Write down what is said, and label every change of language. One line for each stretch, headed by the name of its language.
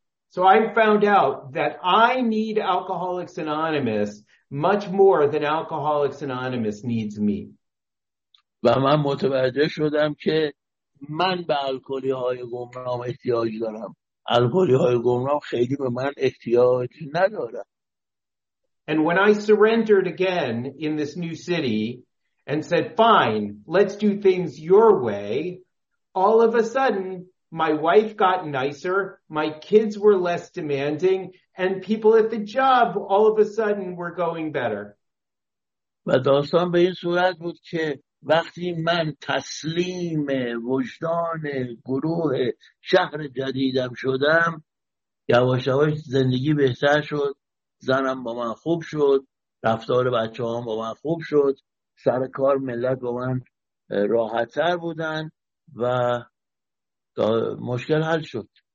English: So I found out that I need Alcoholics Anonymous much more than Alcoholics Anonymous needs me.
Persian: و من متوجه شدم که من به الکلی‌های گمنام احتیاج دارم. الکلی‌های گمنام خیلی به من احتیاج ندارن.
English: And when I surrendered again in this new city and said, fine, let's do things your way, all of a sudden, my wife got nicer, my kids were less demanding, and people at the job all of a sudden were going better.
Persian: و داستان به این صورت بود که وقتی من تسلیم وجدان گروه شهر جدیدم شدم، یواش یواش زندگی بهتر شد، زنم با من خوب شد، رفتار بچه هم با من خوب شد، سر کار ملت با من راحت‌تر بودن و مشکل حل شد.